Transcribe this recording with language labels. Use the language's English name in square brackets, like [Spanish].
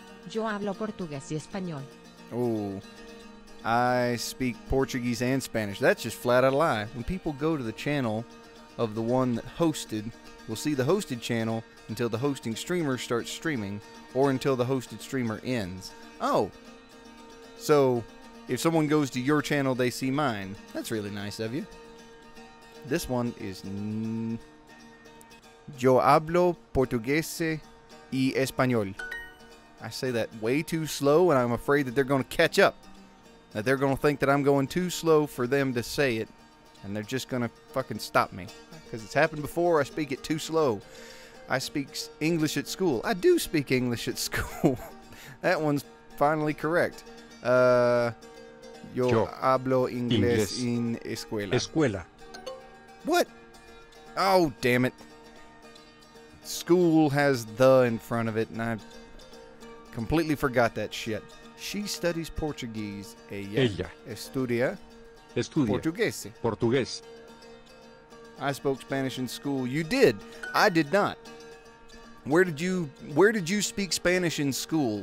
[Spanish] Yo hablo portugués y español. [English] Oh, I speak Portuguese and Spanish. That's just flat out a lie. When people go to the channel of the one that hosted, we'll see the hosted channel until the hosting streamer starts streaming or until the hosted streamer ends. Oh, so if someone goes to your channel, they see mine. That's really nice of you. This one is... [Spanish] Yo hablo portugués y español. [English] I say that way too slow, and I'm afraid that they're going to catch up. That they're going to think that I'm going too slow for them to say it, and they're just going to fucking stop me. Because it's happened before, I speak it too slow. I speak English at school. I do speak English at school. That one's finally correct. [Spanish] Yo hablo inglés en escuela. Escuela. [English] What? Oh, damn it. School has the in front of it, and I completely forgot that shit. She studies Portuguese. [Spanish] Ella. Estudia. Portugués. [English] I spoke Spanish in school. You did. I did not. Where did you speak Spanish in school?